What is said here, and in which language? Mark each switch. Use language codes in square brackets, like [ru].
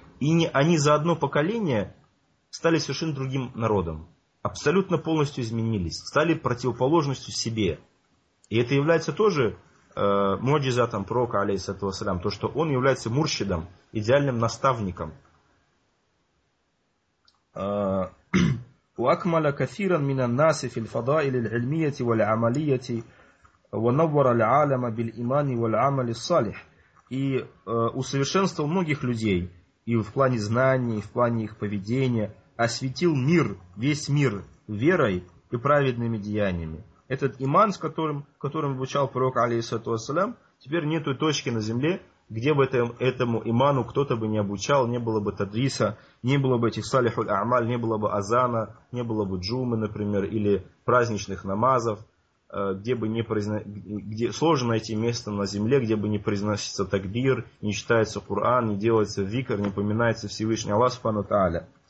[ru] И не, они за одно поколение стали совершенно другим народом. Абсолютно полностью изменились. Стали противоположностью себе. И это является тоже муджизатом пророка, алейхиссалату вассалям, то, что он является мурщидом, идеальным наставником. [ar] وأكمل كثيرا من الناس في الفضائل العلمية والعملية ونور العالم بالإيمان والعمل الصالح. [ru] И усовершенствовал многих людей и в плане знаний, и в плане их поведения, осветил мир, весь мир верой и праведными деяниями. Этот иман, с которым обучал пророк алейхиссалату вассалям, теперь нету точки на земле, где бы этому иману кто-то бы не обучал, не было бы тадриса, не было бы этих салихуль а'маль, не было бы азана, не было бы джумы, например, или праздничных намазов, где сложно найти место на земле, где бы не произносится такбир, не читается Коран, не делается викр, не поминается Всевышний Аллах субхана та'аля.